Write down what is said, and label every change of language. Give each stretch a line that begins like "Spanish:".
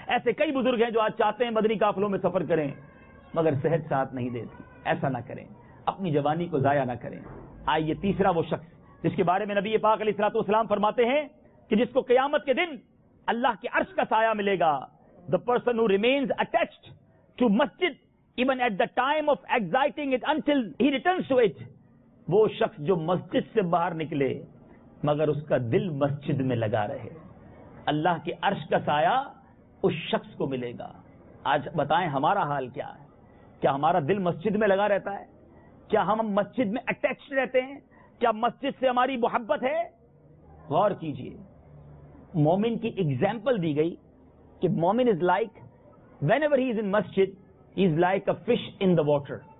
Urdu: ایسے کئی بزرگ ہیں جو آج چاہتے ہیں مدنی قافلوں میں سفر کریں مگر صحت ساتھ نہیں دیتی. ایسا نہ کریں, اپنی جوانی کو ضائع نہ کریں. آئیے تیسرا وہ شخص جس کے بارے میں نبی پاک علیہ الصلوۃ والسلام فرماتے ہیں کہ جس کو قیامت کے دن اللہ کے عرش کا سایہ ملے گا.
English: The person who remains attached to masjid even at the time of exiting it until he returns to it.
Urdu: وہ شخص جو مسجد سے باہر نکلے مگر اس کا دل مسجد میں لگا رہے, اللہ کے عرش کا سایہ اس شخص کو ملے گا. آج بتائیں ہمارا حال کیا ہے, کیا ہمارا دل مسجد میں لگا رہتا ہے؟ کیا ہم مسجد میں اٹیچڈ رہتے ہیں؟ کیا مسجد سے ہماری محبت ہے؟ غور کیجئے, مومن کی ایگزامپل دی گئی کہ
English: مومن is like whenever he is in مسجد he is like a fish in the water.